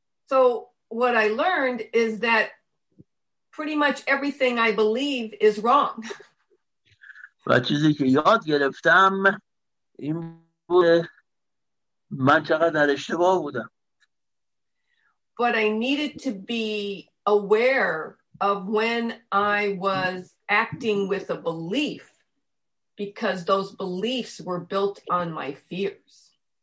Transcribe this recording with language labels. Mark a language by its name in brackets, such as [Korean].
[English] So what I learned is that pretty much everything I believe is wrong. [Persian] و چیزی که یاد گرفتم این بود من چقدر در اشتباه بودم. [English] But I needed to be aware of when I was acting with a belief, because those beliefs were built on my fears.